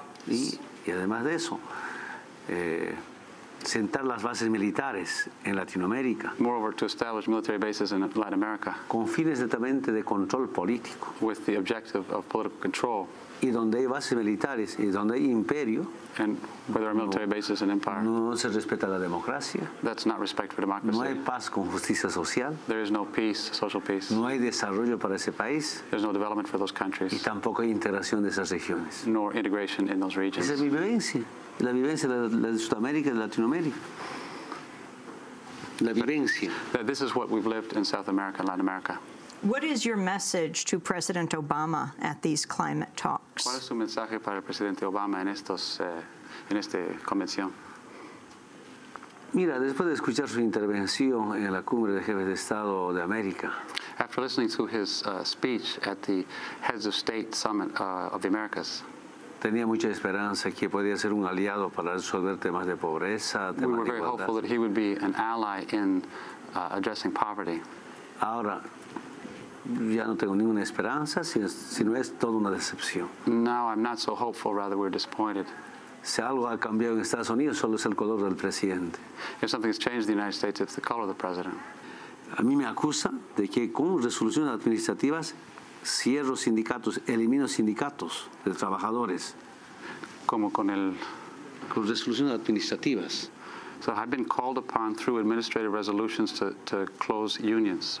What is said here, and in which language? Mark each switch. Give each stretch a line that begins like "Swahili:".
Spanish: Y además de eso, sentar las bases militares en Latinoamérica.
English: Moreover, to establish military bases in Latin America.
Spanish: Con fines netamente de control político.
English: With the objective of political control.
Spanish: Y donde hay bases militares y donde hay imperio,
English: and where there are military bases and empire,
Spanish: no se respeta la democracia.
English: That's not respect for democracy.
Spanish: No hay paz con justicia social.
English: There is no peace, social peace.
Spanish: No hay desarrollo para ese país.
English: There's no development for those countries.
Spanish: Y tampoco hay integración de esas regiones.
English: Nor integration in those regions.
Spanish: Esa es la vivencia de Sudamérica y de Latinoamérica. La vivencia.
English: But this is what we've lived in South America and Latin America. What is your message to President Obama at these climate talks?
Spanish: ¿Cuál es su mensaje para el presidente Obama en estos en esta convención? Mira, después de escuchar su intervención en la cumbre de jefes de Estado de América.
English: After listening to his speech at the Heads of State Summit of the Americas.
Spanish: Tenía mucha esperanza que podía ser un aliado para resolver temas de pobreza, temas de igualdad.
English: We were very hopeful that he would be an ally in addressing poverty.
Spanish: Ahora, ya no tengo ninguna esperanza, sino es toda una decepción.
English: Now I'm not so hopeful, rather we're disappointed.
Spanish: Si algo ha cambiado en Estados Unidos, solo es el color del presidente.
English: If something has changed in the United States, it's the color of the president.
Spanish: A mí me acusa de que con resoluciones administrativas cierro sindicatos, elimino sindicatos de trabajadores. Como con el... Con resoluciones administrativas.
English: So I've been called upon through administrative resolutions to close unions.